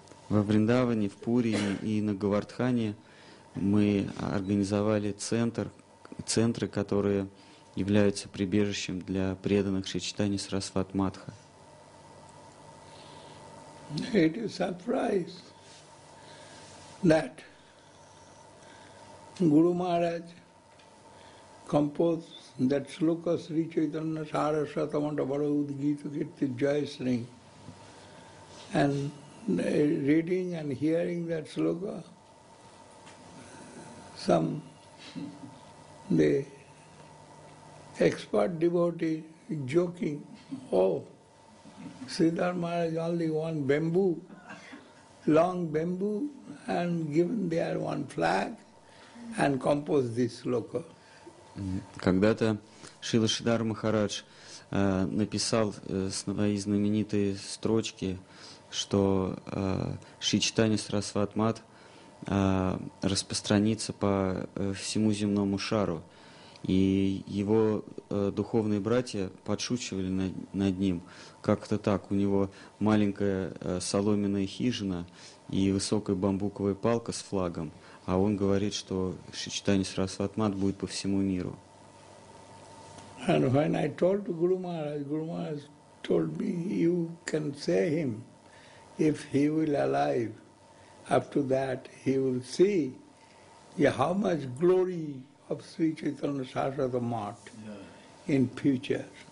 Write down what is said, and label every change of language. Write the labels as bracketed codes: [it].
[ru] Во Вриндаване, в Пури и на Говардхане мы организовали центры, которые являются прибежищем для преданных Шри Чайтаньи Сарасвати Матха. [en] It is a surprise that Guru Maharaj composed that sloka Sri Chaitanya Sarasvati Mata Bharavud Gita Kirti Jayasring. And reading and hearing that sloka, the expert devotee joking, oh, Sridhar Maharaj only one bamboo, long bamboo, and given there one flag, and compose this sloka. [ru] Когда-то Шрила Шридхара Махарадж написал свои знаменитые строчки, что Шри Чайтанья Сарасвати Мат распространится по всему земному шару. И его духовные братья подшучивали над ним. Как-то так, у него маленькая соломенная хижина и высокая бамбуковая палка с флагом, а он говорит, что Шри Чайтанья Сарасвати Мат будет по всему миру. [en] And when I told Guru Maharaj, Guru Maharaj told me, you can say him, if he will alive, after that he will see how much glory of Sri Chaitanya Sarasvati Mat in future.